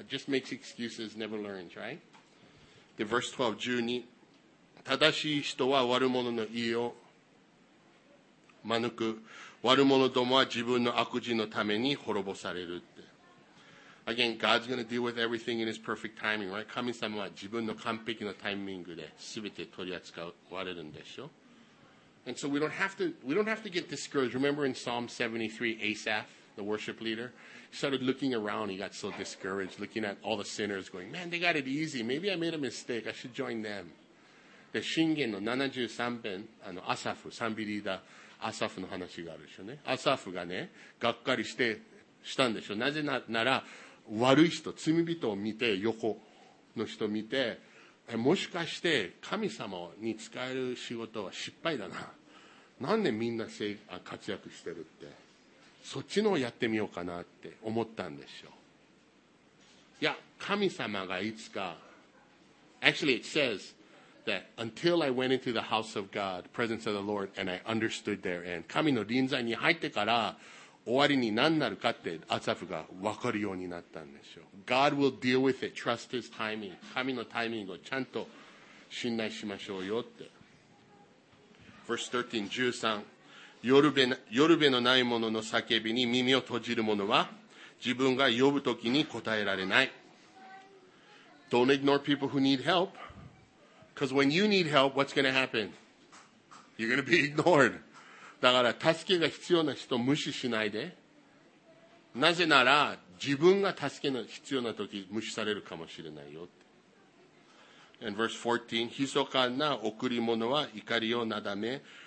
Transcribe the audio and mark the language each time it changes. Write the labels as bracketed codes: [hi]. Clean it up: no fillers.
[en] Just makes excuses, never learns, right? で、verse 12, 12, [ja] 正しい人は悪者の言いを間抜く。悪者どもは自分の悪事のために滅ぼされるって。 [en] Again, God's going to deal with everything in his perfect timing, right? [ja] 神様は自分の完璧なタイミングで全て取り扱われるんでしょ。 [en] And so we don't have to get discouraged. Remember in Psalm 73, Asaph, the worship leader? Started looking around, he got so discouraged, looking at all the sinners going, man, they got it easy. Maybe I made a mistake. I should join them. [ja] で、箴言の73編、あの、アサフ、賛美リーダー、アサフの話があるでしょうね。アサフがね、がっかりして、したんでしょう。なぜなら、悪い人、罪人を見て、横の人を見て、もしかして神様に使える仕事は失敗だな。なんでみんな活躍してるって。そっちのをやってみようかなって思ったんでしょう。いや、神様がいつか、 [en] Actually, it says that until I went into the house of God, presence of the Lord, and I understood therein, [ja] 神の臨在に入ってから終わりに何なるかってアサフが分かるようになったんでしょう。 [en] God will deal with it. Trust his timing. [ja] 神のタイミングをちゃんと信頼しましょうよって。 [en] Verse 13, 13。 [ja] 夜べのない者の叫びに耳を閉じる者は自分が呼ぶときに答えられない。 [en] Don't ignore people who need help. Because when you need help, what's going to happen? You're going to be ignored. [ja] だから助けが必要な人を無視しないで。なぜなら自分が助けの必要なとき無視されるかもしれないよ。 [en] And verse 14, [ja] 密かな贈り物は怒りをなだめ。